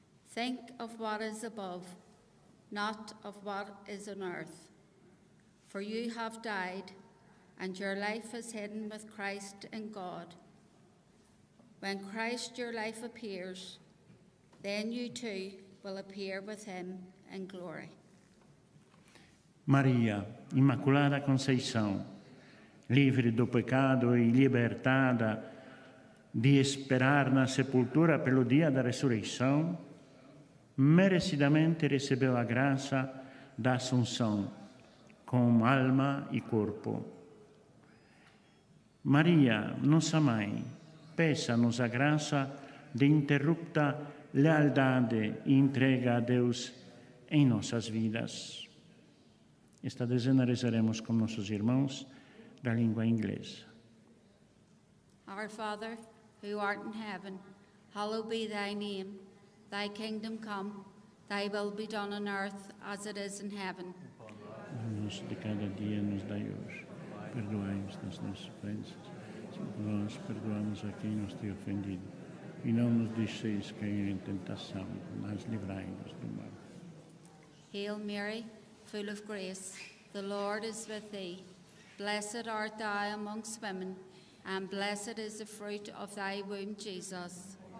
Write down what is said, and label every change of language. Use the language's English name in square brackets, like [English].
[English] Think of what is above, not of what is on earth. For you have died, and your life is hidden with Christ in God. When Christ your life appears, then you too will appear with him in glory. [Portuguese] Maria, Immaculata Conceição, livre do pecado e libertada de esperar na sepultura pelo dia da ressurreição, merecidamente recebeu a graça da Assunção, com alma e corpo. Maria, nossa Mãe, peça-nos a graça de interrupta lealdade e entrega a Deus em nossas vidas. Esta dezena rezaremos com nossos irmãos da língua inglesa. [English] Our Father, who art in heaven, hallowed be thy name. Thy kingdom come, thy will be done on earth as it is in heaven. [Portuguese] Nos de cada dia nos dai hoje. Perdoai-nos das nossas ofensas, como nós perdoamos a quem nos tem ofendido. E não nos deixeis cair em tentação, mas livrai-nos do mal. [English] Hail Mary, full of grace, the Lord is with thee. Blessed art thou amongst women, and blessed is the fruit of thy womb, Jesus.